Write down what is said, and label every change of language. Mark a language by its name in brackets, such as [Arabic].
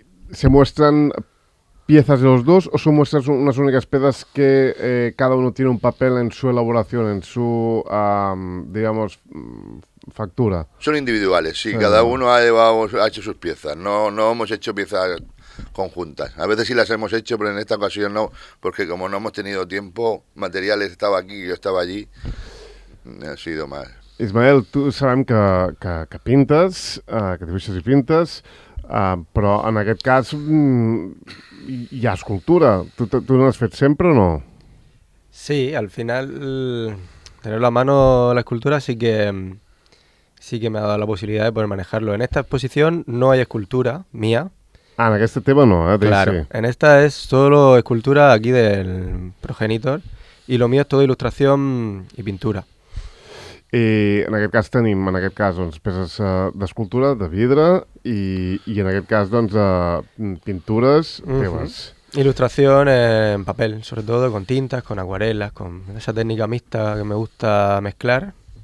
[Spanish] ¿Se muestran piezas de los dos o son muestras unas únicas piezas que cada uno tiene un papel en su elaboración, en su, digamos, factura? Son individuales, sí. Cada uno ha hecho sus piezas. No hemos hecho piezas conjuntas. A veces sí las hemos hecho, pero en esta ocasión no, porque como no hemos tenido tiempo, materiales, estaba aquí, yo estaba allí, ha sido mal. [Catalan] Ismael, [Spanish] tú sabes que pintas, que [Catalan] dibuixes [Spanish] y pintas, [Catalan] però en aquest cas hi ha escultura. Tu no l'has fet sempre o no? [Spanish] Sí, al final tener la mano la escultura sí que me ha dado la posibilidad de poder manejarlo. En esta exposición no hay escultura mía. [Catalan] Ah, en aquest tema no, eh? [Spanish] Claro, en esta es solo escultura aquí del progenitor y lo mío es todo ilustración y pintura. [Catalan] I en aquest cas tenim, en aquest cas, doncs, peces d'escultura, de vidre, i en aquest cas, doncs, pintures teves. Uh-huh. [Spanish] Ilustración en papel, sobretot, con tintas, con aguarelas, con esa técnica mixta que me gusta mezclar.